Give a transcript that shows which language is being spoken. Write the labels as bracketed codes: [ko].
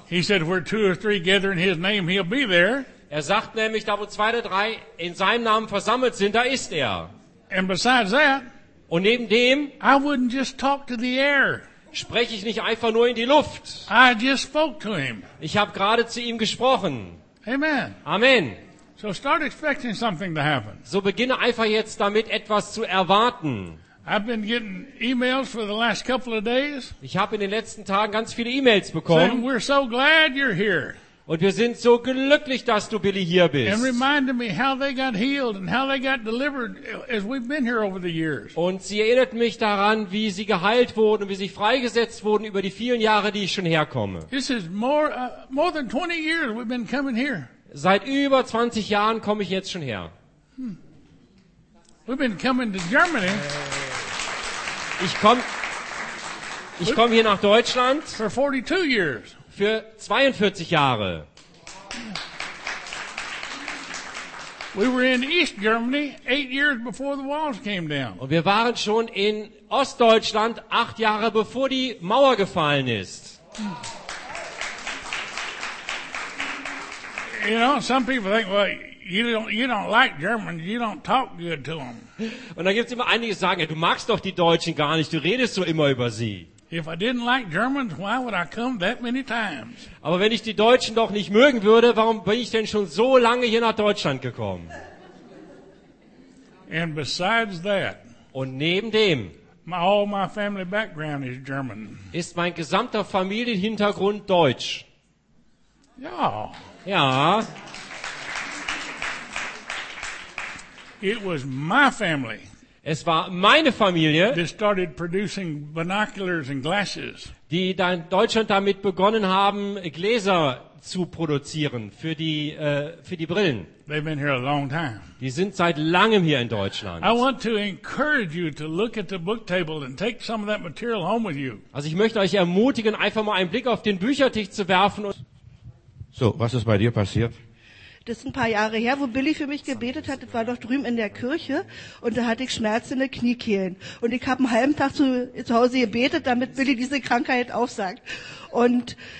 [en] He said, "Where two or three gather in His name, He'll be there." [de] Er sagt nämlich, da wo zwei oder drei in seinem Namen versammelt sind, da ist er. [en] And besides that, [de] und neben dem, [en] I wouldn't just talk to the air. [de] Spreche ich nicht einfach nur in die Luft. [en] I just spoke to him. [de] Ich habe gerade zu ihm gesprochen. [en] Amen. [de] Amen. [en] So start expecting something to happen. [de] So beginne einfach jetzt damit, etwas zu erwarten. [en] I've been getting emails for the last couple of days. [de] Ich habe in den letzten Tagen ganz viele E-Mails bekommen. [en] Saying, "We're so glad you're here." [de] Und wir sind so glücklich, dass du, Billy, hier bist. [en] And reminded me how they got healed and how they got delivered as we've been here over the years. [de] Und sie erinnert mich daran, wie sie geheilt wurden und wie sie freigesetzt wurden über die vielen Jahre, die ich schon herkomme. [en] This is more than 20 years we've been coming here. [de] Seit über 20 Jahren komme ich jetzt schon her. [en] We've been coming to Germany. [de] Ich komme hier nach Deutschland. [en] For 42 years. [de] Für 42 Jahre. [en] We were in East Germany 8 years before the walls came down. [de] Und wir waren schon in Ostdeutschland 8 Jahre bevor die Mauer gefallen ist. [en] You know, some people think, well, you don't like Germans, you don't talk good to them. [de] Und da gibt's immer einige, die sagen, ja, du magst doch die Deutschen gar nicht, du redest so immer über sie. [en] If I didn't like Germans, why would I come that many times? [de] Aber wenn ich die Deutschen doch nicht mögen würde, warum bin ich denn schon so lange hier nach Deutschland gekommen? [en] And besides that, [de] und neben dem, [en] all my family background is German. [de] Ist mein gesamter Familienhintergrund deutsch. Ja. Ja. [en] It was my family. [de] Es war meine Familie, [en] they started producing binoculars and glasses. [de] Die dann Deutschland damit begonnen haben, Gläser zu produzieren für die Brillen. [en] They've been here a long time. [de] Die sind seit langem hier in Deutschland. [en] I want to encourage you to look at the book table and take some of that material home with you. [de] Also ich möchte euch ermutigen, einfach mal einen Blick auf den Büchertisch zu werfen. Und so, was ist bei dir passiert? Das ist ein paar Jahre her, wo Billy für mich gebetet hat. Das war doch drüben in der Kirche. Und da hatte ich Schmerzen in den Kniekehlen. Und ich habe einen halben Tag zu Hause gebetet, damit Billy diese Krankheit aufsagt. Und